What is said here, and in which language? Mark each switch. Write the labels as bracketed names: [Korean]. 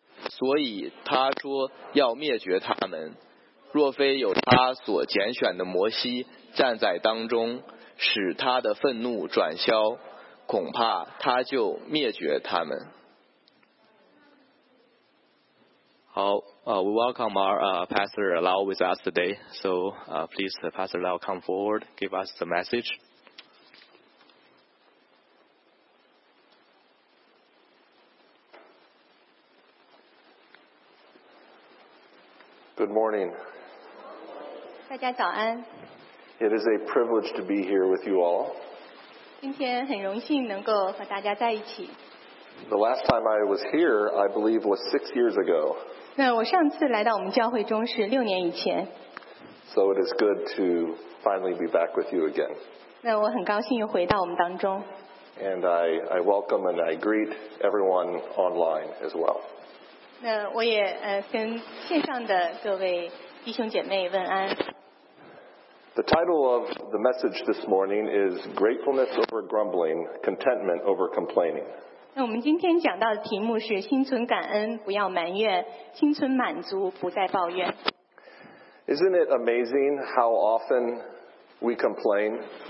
[Chinese] 所以他说要灭绝他们，若非有他所拣选的摩西站在当中，使他的愤怒转消，恐怕他就灭绝他们。 [English] 好，we welcome our Pastor Lau with us today. So please, Pastor Lau, come forward, give us the message. Good morning. [Chinese] 大家早安。 [English] It is a privilege to be here with you all. [Chinese] 今天很荣幸能够和大家在一起。 [English] The last time I was here, I believe, was 6 years ago. [Chinese] 那我上次来到我们教会中是六年以前。 [English] So it is good to finally be back with you again. [Chinese] 那我很高兴又回到我们当中。 [English] And I welcome and I greet everyone online as well. [Chinese] 那我也跟线上的各位弟兄姐妹问安。 [English] The title of the message this morning is Gratefulness over Grumbling, Contentment over Complaining. [Chinese] 那我们今天讲到的题目是心存感恩，不要埋怨，心存满足，不再抱怨。 [English] Isn't it amazing how often we complain?